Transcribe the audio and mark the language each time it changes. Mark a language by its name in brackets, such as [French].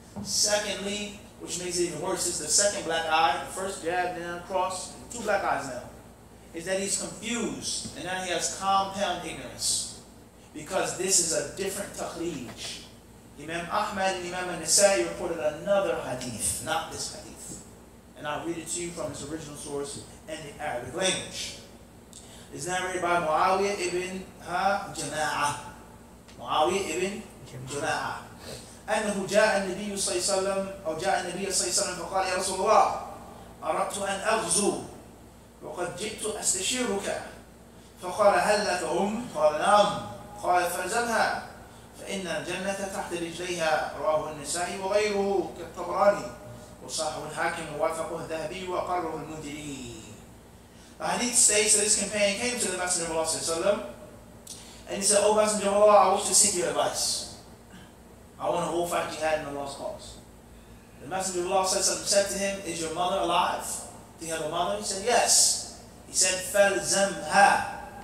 [English] Secondly, which makes it even worse, is the second black eye, the first jab, then cross, two black eyes now, is that he's confused, and now he has compound ignorance, because this is a different takhrij. Imam Ahmed and Imam Nisa'i reported another hadith, not this hadith. And I'll read it to you from its original source in the Arabic language. It's narrated by Muawiyah ibn Jama'ah. Muawiyah ibn Jama'ah. [Arabic] أنه جاء النبي صلى الله عليه وسلم أو جاء النبي صلى الله عليه وسلم فقال يا رسول الله أردت أن أغزو وقد جئت أستشيرك فقال هل لك أم؟ قال نعم قال فالزمها فإن الجنة تحت رجليها رواه النسائي وغيره كالطبراني وصححه الحاكم ووافقه الذهبي وأقره المنذري. [English] The hadith states that this companion came to the Messenger of Allah [Arabic] صلى الله عليه وسلم [English] and he said, O Messenger of Allah, I wish to seek your advice. I want a whole fight jihad in Allah's cause. The Messenger of Allah said something, said to him, is your mother alive? Do you have a mother? He said, yes. He said, [Arabic] فَلْزَمْهَا.